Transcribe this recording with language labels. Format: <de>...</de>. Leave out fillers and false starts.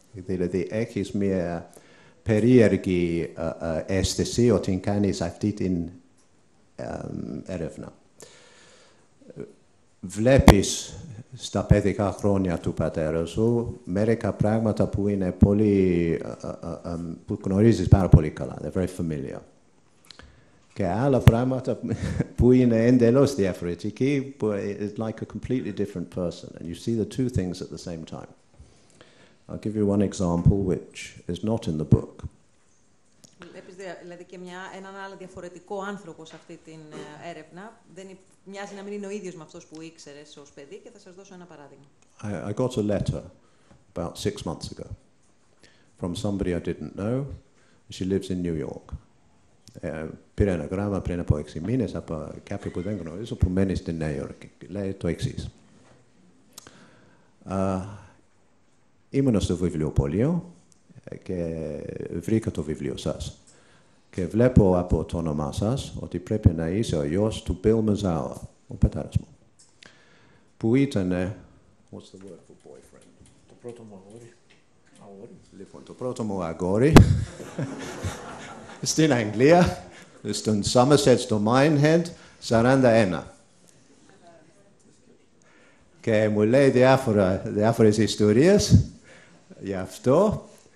<el>Δηλαδή, έχεις μια περίεργη αίσθηση ότι κάνεις αυτή την έρευνα. Βλέπεις στα παιδικά χρόνια του πατέρα σου μερικά πράγματα που είναι πολύ, που γνωρίζεις πάρα πολύ καλά,</el> <en>they're very familiar.</en> <el>Και άλλα πράγματα που είναι εντελώς διαφορετική, που</el> <en>it's like a completely different person, and you see the two things at the same time. I'll give you one example which is not in the book.</en> <el>Βλέπεις δηλαδή και έναν άλλο διαφορετικό άνθρωπο σε αυτή την έρευνα. Μοιάζει να μην είναι ο ίδιος με αυτός που ήξερες ως παιδί και θα σας δώσω ένα παράδειγμα.</el> <en>I got a letter about 6 months ago from somebody I didn't know. She lives in New York.</en> <el>Πήρε ένα γράμμα πριν από 6 μήνες από κάποιον που δεν γνωρίζω που μένει στη Νέα Υόρκη. Λέει το εξής. Ήμουν στο βιβλιοπωλείο και βρήκα το βιβλίο σας. Και βλέπω από το όνομά σας ότι πρέπει να είσαι ο γιος του Bill Mazower, ο πατέρας μου. Που ήταν.</el> <en>What's the word for boyfriend?</en> <el>Το πρώτο μου αγόρι. Λοιπόν, το πρώτο μου αγόρι. Στην Αγγλία, στον Somerset, στο Minehead, 41. Και μου λέει διάφορες ιστορίες γι' αυτό.</el>